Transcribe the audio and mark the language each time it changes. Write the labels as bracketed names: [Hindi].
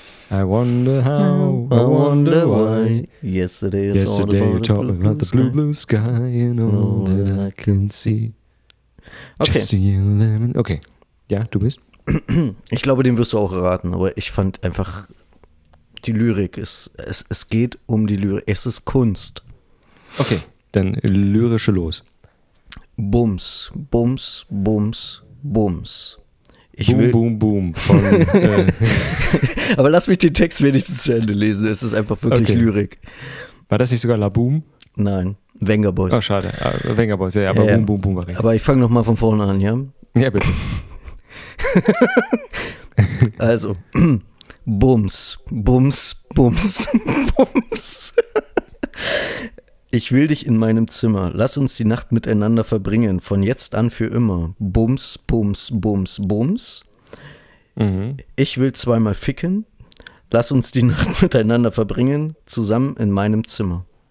[English] I wonder how, I wonder why. Yesterday, it's yesterday all about you talking about the blue sky and all that I can see. Okay. Just a yellow lemon. Okay. [German] Ja, du bist? Ich glaube, den wirst du auch erraten, aber ich fand einfach, die Lyrik ist, es geht um die Lyrik, es ist Kunst. Okay, dann lyrische los. Bums, Bums, Bums, Bums. Ich boom, will, boom, boom, boom. Aber lass mich den Text wenigstens zu Ende lesen, es ist einfach wirklich okay. Lyrik. War das nicht sogar La Boom? Nein, Venga Boys. Oh, schade, Venga Boys, ja, aber boom, boom, boom war richtig. Aber ich fange nochmal von vorne an, ja? Ja, bitte. Also, Bums, Bums, Bums, Bums. Ich will dich in meinem Zimmer. Lass uns die Nacht miteinander verbringen. Von jetzt an für immer. Bums, Bums, Bums, Bums. Ich will zweimal ficken. Lass uns die Nacht miteinander verbringen, zusammen in meinem Zimmer.